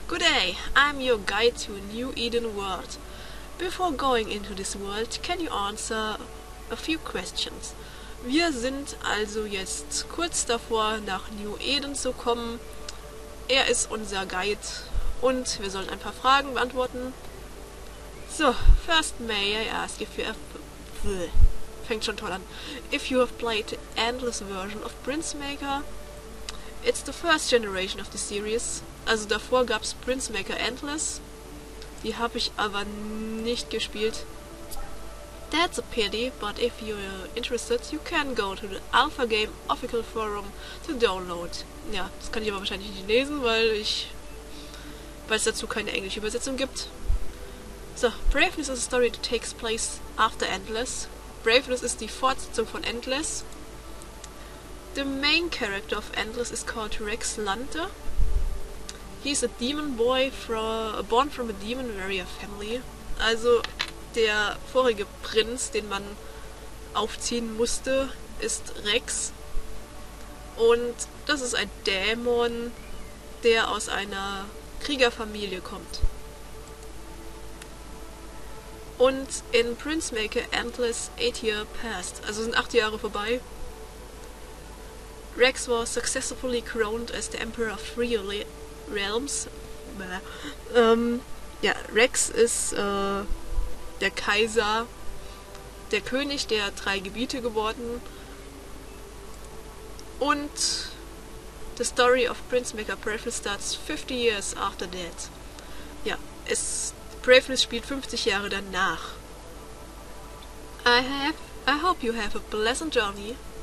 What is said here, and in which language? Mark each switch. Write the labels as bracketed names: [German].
[English] Good day, I'm your guide to a new Eden world. Before going into this world, can you answer a few questions? [German] Wir sind also jetzt kurz davor, nach New Eden zu kommen. Er ist unser Guide und wir sollen ein paar Fragen beantworten. [English] So, first may I ask if you have... [German] Fängt schon toll an. [English] If you have played the Endless version of Prince Maker, it's the first generation of the series. [German] Also davor gab es Prince Maker Endless. Die habe ich aber nicht gespielt. [English] That's a pity, but if you're interested, you can go to the Alpha Game Official Forum to download. [German] Ja, das kann ich aber wahrscheinlich nicht lesen, weil es dazu keine englische Übersetzung gibt. [English] So, Braveness is a story that takes place after Endless. [German] Braveness ist die Fortsetzung von Endless. [English] The main character of Endless is called Rex Lunter. He's a demon boy born from a demon warrior family. [German] Also der vorige Prinz, den man aufziehen musste, ist Rex. Und das ist ein Dämon, der aus einer Kriegerfamilie kommt. Und in Prince Maker Endless 8 years passed. Also sind 8 Jahre vorbei. [English] Rex was successfully crowned as the Emperor of Three Realms. [German] Rex ist der Kaiser, der König der 3 Gebiete geworden. [English] Und the story of Prince Maker Braveness starts 50 years after that. [German] Ja, Braveness spielt 50 Jahre danach. [English] I hope you have a pleasant journey.